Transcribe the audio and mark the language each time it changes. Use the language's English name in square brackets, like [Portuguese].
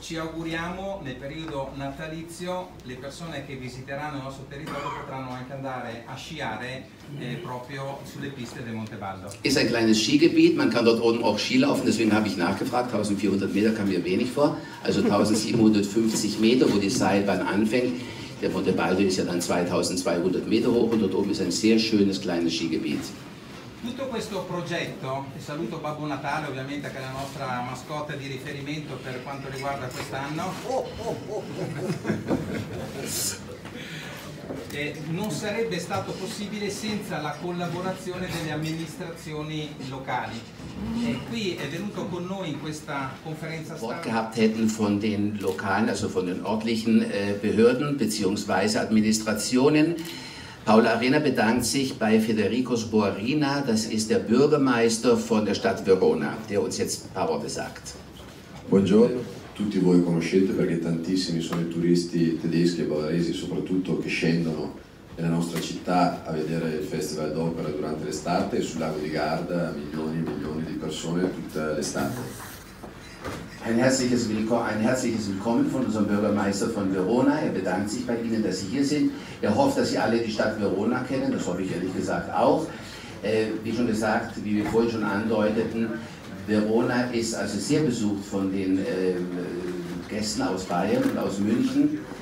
[Italian] Ci auguriamo nel periodo natalizio le persone che visiteranno il nostro territorio potranno anche andare a sciare proprio sulle piste del Monte Baldo. [German] Ist ein kleines Skigebiet, man kann dort oben auch Ski laufen, deswegen habe ich nachgefragt, 1400 Meter kam mir wenig vor, also 1750 Meter, wo die Seilbahn anfängt. Der Monte Baldo ist ja dann 2200 Meter hoch, und dort oben ist ein sehr schönes kleines Skigebiet. [Italian] Tutto questo progetto, e saluto Babbo Natale ovviamente, che è la nostra mascotte di riferimento per quanto riguarda quest'anno, non sarebbe stato possibile senza la collaborazione delle amministrazioni locali. E qui è venuto con noi in questa conferenza stampa. [German] Wort gehabt hätten von den lokalen, also von den örtlichen Behörden bzw. Amministrationen. Paola Arena bedankt sich bei Federico Sboarina, das ist der Bürgermeister von der Stadt Verona, der uns jetzt ein paar Worte sagt. [Italian] Buongiorno, tutti voi conoscete perché tantissimi sono i turisti tedeschi e bavaresi soprattutto che scendono nella nostra città a vedere il Festival d'Opera durante l'estate e sul lago di Garda milioni e milioni di persone tutta l'estate. [German] Ein herzliches Willkommen von unserem Bürgermeister von Verona. Er bedankt sich bei Ihnen, dass Sie hier sind. Er hofft, dass Sie alle die Stadt Verona kennen. Das hoffe ich ehrlich gesagt auch. Wie schon gesagt, wie wir vorhin schon andeuteten, Verona ist also sehr besucht von den Gästen aus Bayern und aus München.